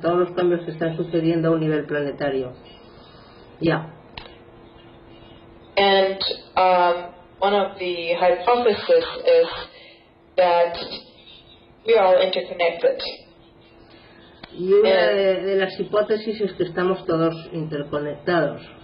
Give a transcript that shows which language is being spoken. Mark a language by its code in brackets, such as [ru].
[es] Todos los cambios que están sucediendo a un nivel planetario. [en] Yeah. And one of the hypotheses is that we are all interconnected. [es] Y una de las hipótesis es que estamos todos interconectados.